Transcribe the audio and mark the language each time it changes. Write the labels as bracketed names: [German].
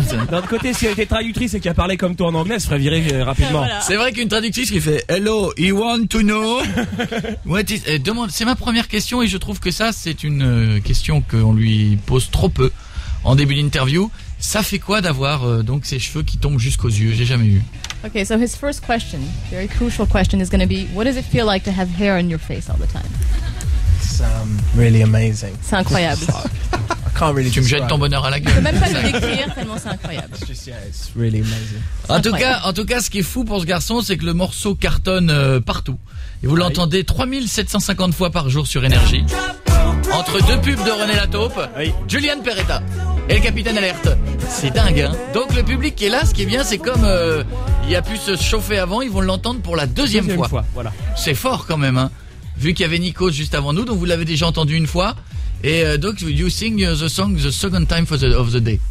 [French] D'un autre côté, si elle était traductrice et qu'elle parlait comme toi en anglais, elle se ferait virer rapidement. Voilà. C'est vrai qu'une traductrice qui fait [English] Hello, you want to know? What is... [French] demande... C'est ma première question et je trouve que ça, c'est une question qu'on lui pose trop peu en début d'interview. Ça fait quoi d'avoir donc ces cheveux qui tombent jusqu'aux yeux? J'ai jamais eu. [English] Ok, so his first question, very crucial question, is going to be What does it feel like to have hair on your face all the time? Really amazing. [French] C'est incroyable. [English] I can't really [French] tu me jettes ton bonheur à la gueule. Je peux même pas le décrire tellement c'est incroyable. [English] It's just, yeah, it's really amazing. [French] En tout cas, ce qui est fou pour ce garçon, c'est que le morceau cartonne partout. Et vous l'entendez 3750 fois par jour sur Énergie. Entre deux pubs de René Lataupe, Julien Perretta et le Capitaine Alerte. C'est dingue, hein. Donc le public qui est là, ce qui est bien, c'est comme il a pu se chauffer avant, ils vont l'entendre pour la deuxième fois. Voilà. C'est fort quand même, hein. vu qu'il y avait Nico juste avant nous, donc vous l'avez déjà entendu une fois. Et donc, [English] you sing the song the second time for the, of the day.